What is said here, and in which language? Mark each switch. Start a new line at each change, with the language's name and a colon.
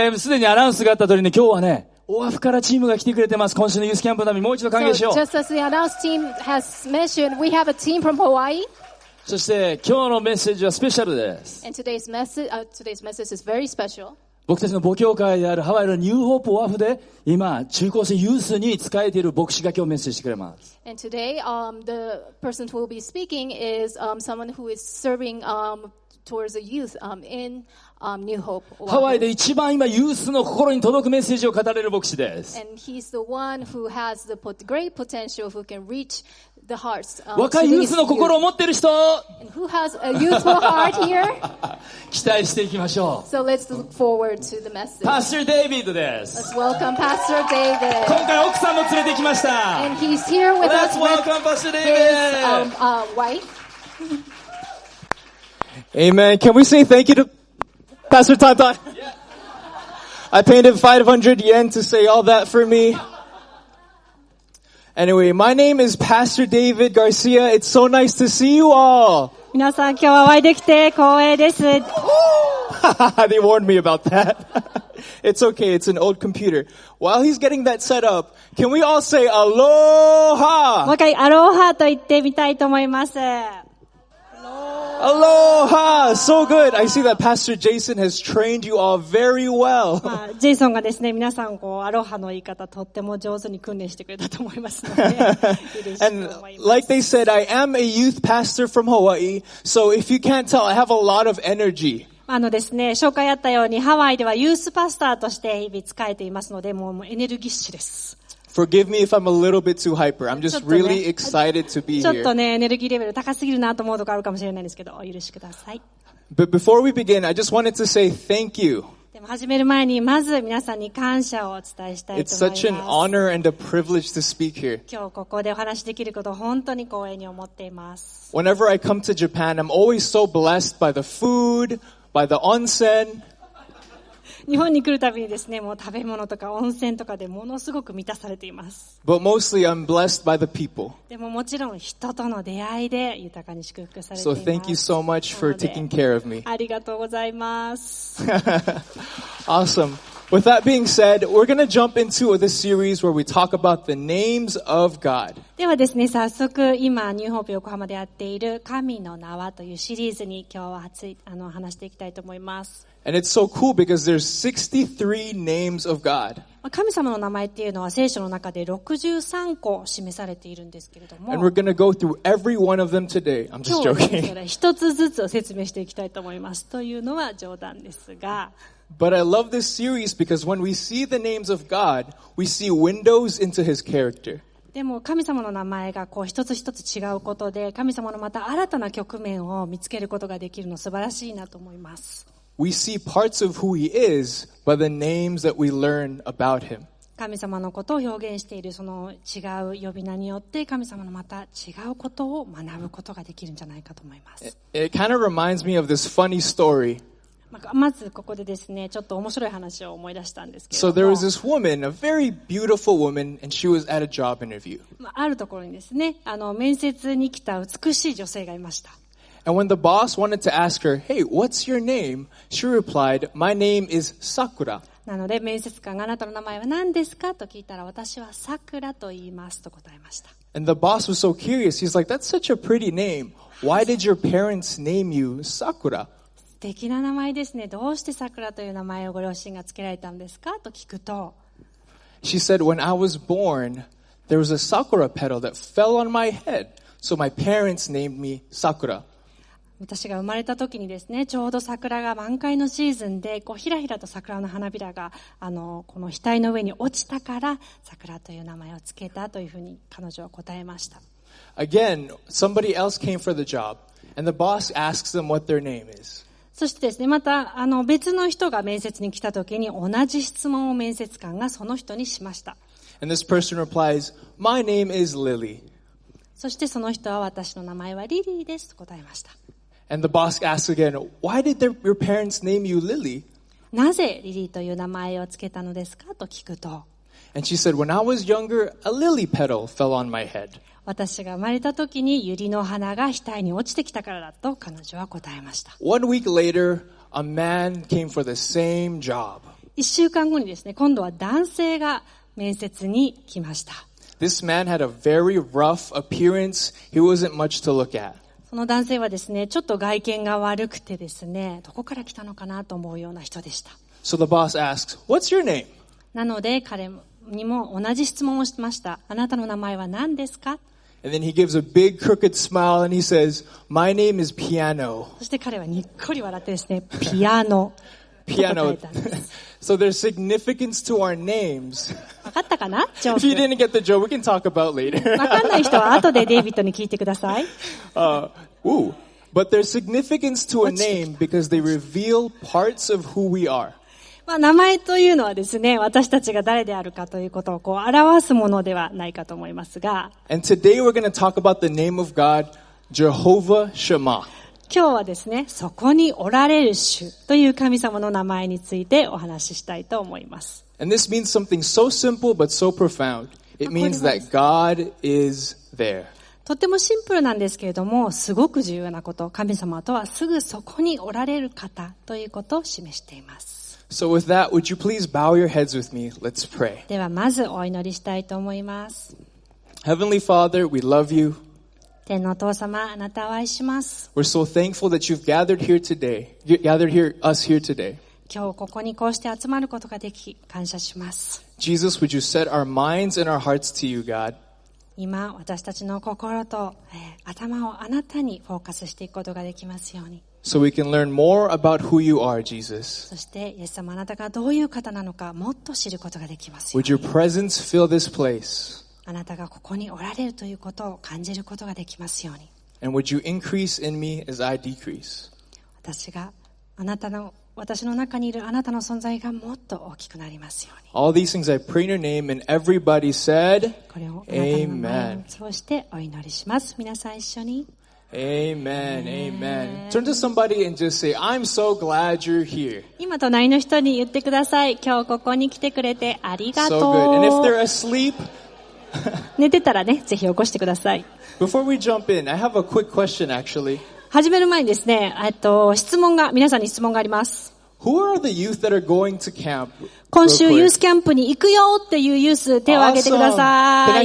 Japanese: すでにアナウンスがあった通りね、今日はね、オアフからチームが来てくれてます。今週のユースキャンプのためにもう一度歓迎しよう。
English: So, just as the announced team has mentioned, we have a team from Hawaii.
Japanese: そして今日のメッセージはスペシャルです。
English: And today's message is very special.
Japanese: 僕たちの母教会であるハワイのニューホープオアフで今中高生ユースに仕えている牧師が今日メッセージしてくれます。
English: And today, the person who will be speaking is someone who is serving towards the youth in New Hope.
Japanese: ハワイで一番今ユースの心に届くメッセージを語れる牧師です。
English: And he's the one who has the great potential who can reach the hearts.
Japanese: 若いユースの心を持っている人。
English: And who has a youthful heart here?
Japanese: 期待していきましょう。
English: So let's look forward to the message.
Japanese: Pastor David です。
English: Let's welcome Pastor David.
Japanese: 今回奥さんも連れてきました。
English: And he's here with us. Let's welcome Pastor David. His wife. Amen. Can we say thank you to Pastor Tan Tan? Yeah. I paid him 500 yen to say all that for me. Anyway, my name is Pastor David Garcia. It's so nice to see you all.
Japanese: 皆さん、今日はお会いできて光栄です。
English: They warned me about that. It's okay. It's an old computer. While he's getting that set up, can we all say aloha?
Japanese: もう一回アロハと言ってみたいと思います。
English: Aloha! So good! I see that Pastor Jason has trained you all very well.
Japanese: ジェイソンがですね、皆さんこう、アロハの言い方とっても上手に訓練してくれたと思いますので。
English: And like they said, I am a youth pastor from Hawaii, so if you can't tell, I have a lot of energy.
Japanese: あのですね、紹介あったように、ハワイではユースパスターとして日々使えていますので、もうエネルギッシュです。
English: Forgive me if I'm a little bit too hyper. I'm just really excited to be here.
Japanese: ちょっとね、エネルギーレベル高すぎるなと思うとこあるかもしれないですけど、お許しください。
English: But before we begin, I just wanted to say thank you.
Japanese: でも始める前に、まず皆さんに感謝をお伝えしたいと思います。
English: It's such an honor and a privilege to speak here.
Japanese: 今日ここでお話しできること、本当に光栄に思っています。
English: Whenever I come to Japan, I'm always so blessed by the food, by the onsen,
Japanese: 日本に来るたびにですね、もう食べ物とか温泉とかでものすごく満たされています。
English: But mostly I'm blessed by the people.
Japanese: でももちろん人との出会いで豊かに祝福されています。
English: So thank you so much for taking care of me.
Japanese: ありがとうございます。
English: Awesome. With that being said, we're gonna jump into this series where we talk about the names of God.
Japanese: ではですね、早速今ニューホープ横浜でやっている神の名はというシリーズに今日は話していきたいと思います。
English: And it's so cool because there's 63 names of God.
Japanese: 神様の名前っていうのは聖書の中で63個示されているんですけれども。
English: And we're gonna go through every one of them today. I'm just joking.
Japanese: 今日一つずつを説明していきたいと思います。というのは冗談ですが。
English: But I love this series because when we see the names of God, we see windows into His character.
Japanese: でも神様の名前がこう一つ一つ違うことで、神様のまた新たな局面を見つけることができるの素晴らしいなと思います。
English: We see parts of who He is by the names that we learn about Him.
Japanese: 神様のことを表現しているその違う呼び名によって、神様のまた違うことを学ぶことができるんじゃないかと思います。
English: It kind of reminds me of this funny story.
Japanese: まずここでですね、ちょっと面白い話を思い出したんですけど。
English: So there was this woman, a very beautiful woman, and she was at a job interview.
Japanese: あるところにですね、面接に来た美しい女性がいました。
English: And when the boss wanted to ask her, hey, what's your name? She replied, my name is Sakura.
Japanese: なので面接官があなたの名前は何ですかと聞いたら、私は Sakura と言いますと答えました。
English: And the boss was so curious. He's like, that's such a pretty name. Why did your parents name you Sakura?
Japanese: 素敵な名前ですね。どうして桜という名前をご両親がつけられたんですかと聞くと、
English: She said, when I was born, there was a sakura petal that fell on my head, so my parents named me Sakura.
Japanese: 私が生まれた時にですね、ちょうど桜が満開のシーズンで、こうひらひらと桜の花びらがこの額の上に落ちたから、桜という名前をつけたというふうに彼女は答えました。
English: Again, somebody else came for the job, and the boss asks them what their name is.
Japanese: そしてですね、また、別の人が面接に来た時に同じ質問を面接官がその人にしました。
English: And this person replies, My name is Lily.
Japanese: そしてその人は私の名前はリリーですと答えました。
English: And the boss asks again, Why did your parents name you Lily?
Japanese: なぜリリーという名前をつけたのですかと聞くと。
English: And she said, When I was younger, a lily petal fell on my head.
Japanese: 私が生まれた時にユリの花が額に落ちてきたからだと彼女は答えました。
English: One week later, a man came for the same job.
Japanese: 1週間後にですね、今度は男性が面接に来ました。
English: This man had a very rough appearance. He wasn't much to look at.
Japanese: その男性はですね、ちょっと外見が悪くてですね、どこから来たのかなと思うような人でした。
English: So the boss asks, "What's your name?"
Japanese: なので彼にも同じ質問をしました。あなたの名前は何ですか？
English: And then he gives a big crooked smile and he says, "My name is Piano."
Japanese: そして彼はにっこり笑ってですね、ピアノ。
English: Piano. So there's significance to our names. If you didn't get the joke, we can talk about later.
Japanese: 分かんない人は後でデイビッドに聞いてください。
English: But there's significance to a name because they reveal parts of who we are.
Japanese: まあ名前というのはですね、私たちが誰であるかということをこう表すものではないかと思いますが。
English: And today we're going to talk about the name of God, Jehovah Shema.
Japanese: 今日はですね、そこにおられる主という神様の名前についてお話ししたいと思います。
English: And this means something so simple but so profound. It means that God is there.
Japanese: とてもシンプルなんですけれども、すごく重要なこと、神様とはすぐそこにおられる方ということを示しています。
English: So with that, would you please bow your heads with me? Let's pray.
Japanese: ではまずお祈りしたいと思います。
English: Heavenly Father, we love you.
Japanese: 天のお父様、あなたを愛します。
English: We're so thankful that you've gathered here today, us here today.
Japanese: 今日ここにこうして集まることができ、感謝します。
English: Jesus, would you set our minds and our hearts to you, God?
Japanese: 今、私たちの心と、頭をあなたにフォーカスしていくことができますように。
English: So we can learn more about who you are, Jesus.
Japanese: そして、イエス様、あなたがどういう方なのか、もっと知ることができますように。
English: Would your presence fill this place?
Japanese: あなたがここにおられるということを感じることができますように。
English: And would you increase in me as I decrease?
Japanese: 私があなたの私の中にいるあなたの存在がもっと大きくなりますように。
English: All these things I pray in your name, and everybody said, Amen.
Japanese: そしてお祈りします。皆さん一緒に。
English: Amen, amen. Turn to somebody and just say, I'm so glad you're here.
Japanese: 今隣の人に言ってください。今日ここに来てくれてありがとう。
English: So good. And if they're asleep.
Japanese: 寝てたらね、ぜひ起こしてください。
English: Before we jump in, I have a quick question actually.
Japanese: 始める前にですね、質問が、皆さんに質問があります。
English: Who are the youth that are going to camp?
Japanese: 今週ユースキャンプに行くよっていうユース、手を挙げてください。